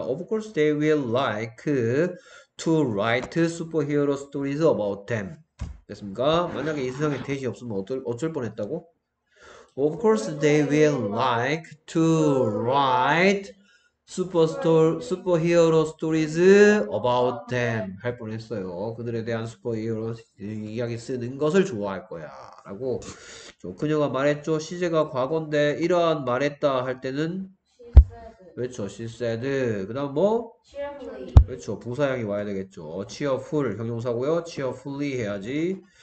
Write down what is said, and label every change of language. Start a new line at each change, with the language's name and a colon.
English: of course they will like to write superhero stories about them.
Korean: 됐습니까? 만약에 이 세상에 대시 없으면 어쩔 뻔했다고?
English: Of course they will like to write superhero stories about them 할 뻔했어요.
Korean: 그들에 대한 슈퍼히어로 이야기 쓰는 것을 좋아할 거야 라고 저 그녀가 말했죠. 시제가 과거인데 이러한 말했다 할 때는 그렇죠. She said. 그 다음 뭐?
English: Cheerfully.
Korean: 그렇죠. 부사형이 와야 되겠죠. Cheerful 형용사고요. Cheerfully 해야지.